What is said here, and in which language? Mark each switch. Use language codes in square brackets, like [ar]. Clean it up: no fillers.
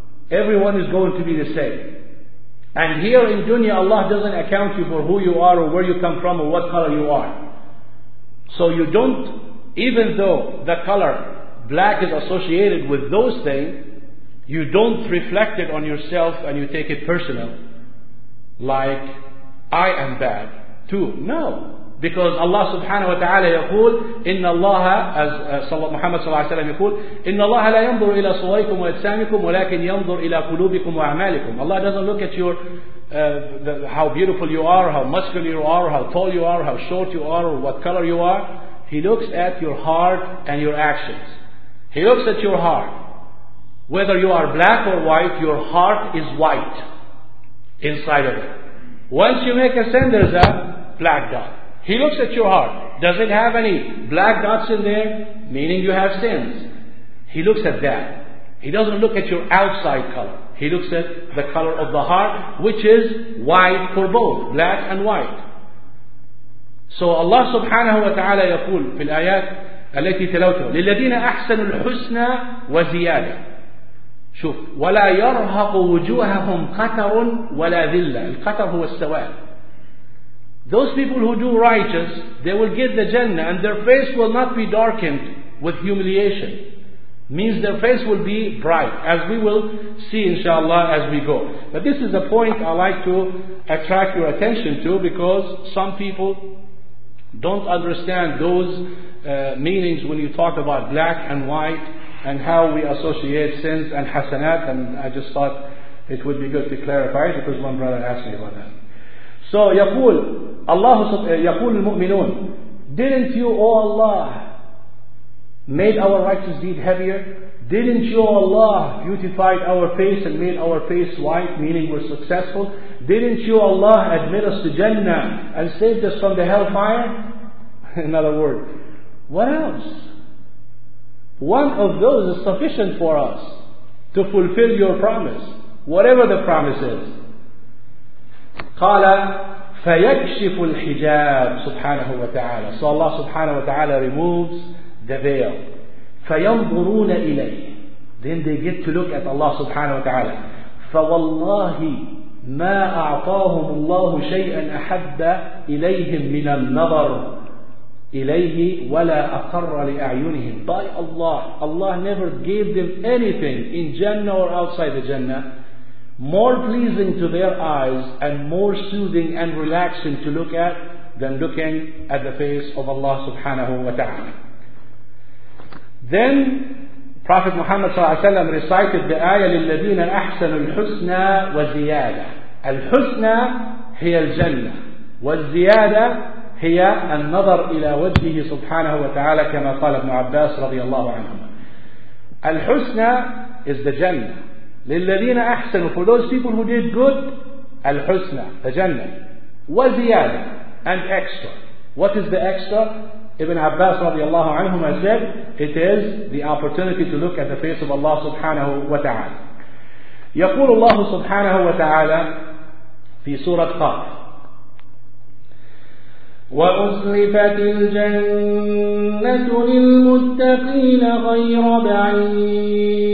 [en] Everyone is going to be the same. And here in dunya, Allah doesn't account you for who you are, or where you come from, or what color you are. So you don't, even though the color black is associated with those things, you don't reflect it on yourself and you take it personal, like I am bad too. No. [ar] Because Allah subhanahu wa ta'ala yaqul, إِنَّ اللَّهَ, as Muhammad sallallahu alayhi wa sallam yaqul, إِنَّ اللَّهَ لَا يَنْظُرُ إِلَىٰ صُوَيْكُمْ وَأَجْسَامِكُمْ وَلَكِنْ يَنْظُرُ إِلَىٰ قُلُوبِكُمْ وَأَعْمَالِكُمْ. [en] Allah doesn't look at your how beautiful you are, how muscular you are, how tall you are, how short you are, or what color you are. He looks at your heart and your actions. He looks at your heart. Whether you are black or white, your heart is white inside of it. Once you make a sin, there's a black dot. He looks at your heart. Does it have any black dots in there? Meaning you have sins. He looks at that. He doesn't look at your outside color. He looks at the color of the heart, which is white for both, black and white. [ar] So Allah subhanahu wa ta'ala يقول في الآيات التي تلوتها للذين أحسنوا الحسنى وزيادة. شوف ولا يرهق وجوههم قتر ولا ذلة. القتر هو السواد. [en] Those people who do righteous, they will get the Jannah, and their face will not be darkened with humiliation. Means their face will be bright, as we will see inshallah as we go. But this is a point I like to attract your attention to, because some people don't understand those meanings when you talk about black and white, and how we associate sins and hasanat. And I just thought it would be good to clarify it, because one brother asked me about that. So [ar] يقول الله يقول المؤمنون, [en] didn't you, O Allah, made our righteous deed heavier? Didn't you, O Allah, beautified our face and made our face white, meaning we're successful? Didn't you, Allah, admit us to Jannah and saved us from the hellfire? In other words, what else? One of those is sufficient for us to fulfill your promise, whatever the promise is. [ar] قال فيكشف الحجاب سبحانه وتعالى. [en] So Allah subhanahu wa ta'ala removes the veil. [ar] فينظرون إليه. [en] Then they get to look at Allah subhanahu wa ta'ala. [ar] فوالله ما أعطاهم الله شيئا أحب إليهم من النظر إليه ولا أقر لأعينهم. [en] By Allah, Allah never gave them anything in Jannah or outside the Jannah more pleasing to their eyes and more soothing and relaxing to look at than looking at the face of Allah subhanahu wa ta'ala. Then Prophet Muhammad sallallahu alayhi wa sallam recited the ayah, [ar] لِلَّذِينَ أَحْسَنُ الْحُسْنَى وَزِيَادَةً. الحسنى هي الجنة, والزيادة هي النظر إلى وجهه سبحانه وتعالى, كما قال ابن عباس رضي الله عنهما. [en] الحسنى is the Jannah. [ar] لِلَّذِينَ أَحْسَنُ, [en] for those people who did good, الْحُسْنَى, the Jannah. وَزِيَادَةً, and extra. What is the extra? Ibn Abbas [ar] رضي الله عنهما [en] said, it is the opportunity to look at the face of Allah [ar] سبحانه وتعالى. يقول الله سبحانه وتعالى في سورة قاف, وَأُزْلِفَتِ الْجَنَّةُ لِلْمُتَّقِينَ غَيْرَ بَعِيدٍ